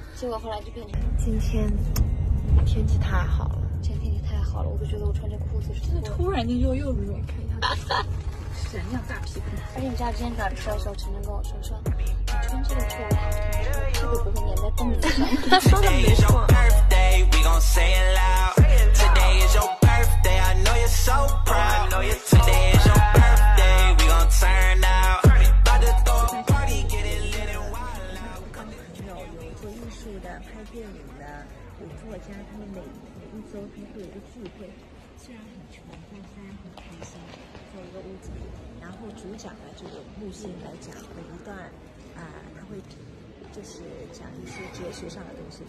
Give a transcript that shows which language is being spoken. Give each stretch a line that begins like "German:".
Chinese: 结果后来就变成今天天气太好了，今天天气太好了，我都觉得我穿这裤子是真的突然间又热。你看一下，闪亮大屁股。而且你知道今天早上的时候，陈晨跟我说说，你穿这个裤子好看，屁股不会粘在凳子上。
English: Today is your birthday, I know you're so proud. I know you're so proud. Today is your birthday, we gon' turn out. About to throw a party, get it lit and wild out.
Chinese: 有做艺术的、拍电影的有作家，他们每一周都会有一个聚会。虽然很穷，但是很开心，在一个屋子里。然后主讲呢，就有木心来讲每一段，他会就是讲一些哲学上的东西。